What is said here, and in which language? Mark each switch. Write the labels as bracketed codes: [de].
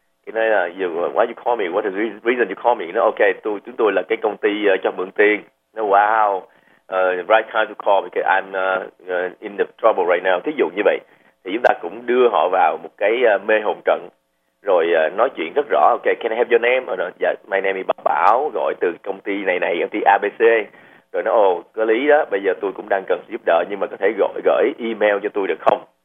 [vi] Thì nói là [en] why you call me, what is the reason you call me? [vi] Nó ok, chúng tôi là cái công ty cho mượn tiền. [en] Nó wow, right time to call because I'm in the trouble right now. [vi] Thí dụ như vậy thì chúng ta cũng đưa họ vào một cái mê hồn trận, rồi nói chuyện rất rõ. [en] Ok, can I have your name? My name is [vi] Bảo, gọi từ công ty này, công ty ABC. Rồi nó có lý đó, bây giờ tôi cũng đang cần giúp đỡ, nhưng mà có thể gửi email cho tôi được không?